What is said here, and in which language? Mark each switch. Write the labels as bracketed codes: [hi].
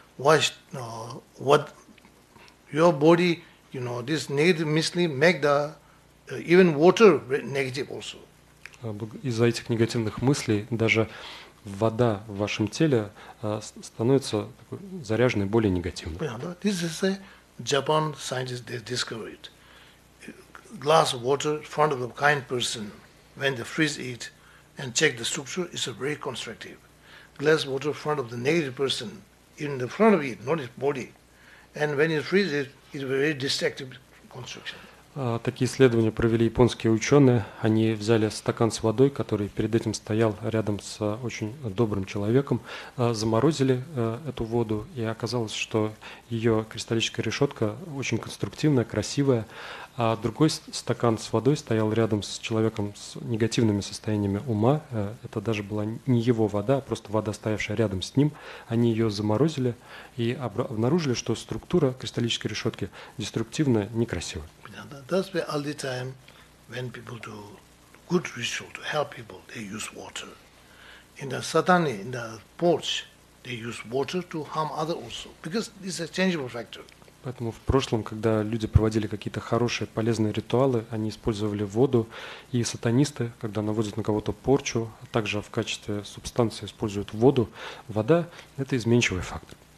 [ru] Ваш, [en] what your body, you know, this negative mislead make the even water negative also. [ru] Из-за этих негативных мыслей даже вода в вашем теле становится такой заряженной, более негативной. Понятно, да? [en] This is a Japan scientist they discovered. Glass of water in front of a kind person, when they freeze it and check the structure, it's very constructive. Glass of water in front of the negative person, in the front of it, not his body. And when you freeze it, it's a very destructive construction. [ru] Такие исследования провели японские ученые. Они взяли стакан с водой, который перед этим стоял рядом с очень добрым человеком, заморозили эту воду, и оказалось, что ее кристаллическая решетка очень конструктивная, красивая. А другой стакан с водой стоял рядом с человеком с негативными состояниями ума. Это даже была не его вода, а просто вода, стоявшая рядом с ним. Они ее заморозили и обнаружили, что структура кристаллической решетки деструктивная, некрасивая. [en] That's why all the time when people do good ritual to help people, they use water. In the satani, in the porch, they use water to harm others also. Because it's a changeable factor. [ru] Поэтому в прошлом, когда люди проводили какие-то хорошие, полезные ритуалы, они использовали воду. И сатанисты, когда наводят на кого-то порчу, а также в качестве субстанции используют воду, вода – это изменчивый фактор.